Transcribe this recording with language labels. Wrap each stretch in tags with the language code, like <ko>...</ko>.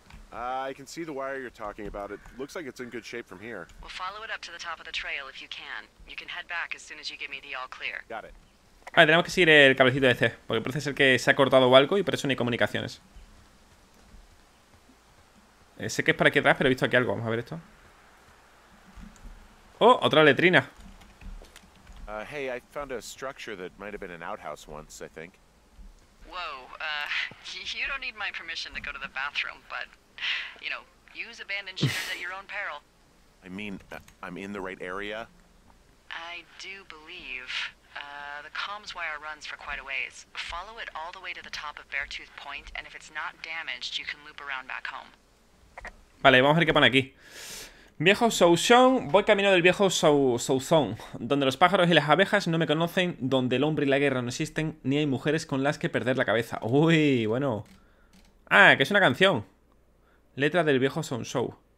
<en>I can see the wire you're talking about. It looks like it's in good shape from here. We'll follow it up to the top of the trail if you can. You can head back as soon as you give me the all clear. Got it.</en> <es>Vale, tenemos que seguir el cablecito este, porque parece ser que se ha cortado o algo y por eso no hay comunicaciones. Sé que es para aquí atrás, pero he visto aquí algo. Vamos a ver esto. ¡Oh! Otra letrina.</es> <en>Hey, I found a structure that might have been an outhouse once, I think. Whoa, you don't need my permission to go to the bathroom, but, you know, use abandoned shitters at your own peril. I mean, I'm in the right area? I do believe. The comms wire runs for quite a ways. Follow it all the way to the top of Beartooth Point, and if it's not damaged, you can loop around back home.</en> <es>Vale, vamos a ver qué pone aquí. Viejo Souzón, voy camino del viejo Souzón, donde los pájaros y las abejas no me conocen, donde el hombre y la guerra no existen, ni hay mujeres con las que perder la cabeza. Uy, bueno. Ah, que es una canción. Letra del viejo Souzón.</es>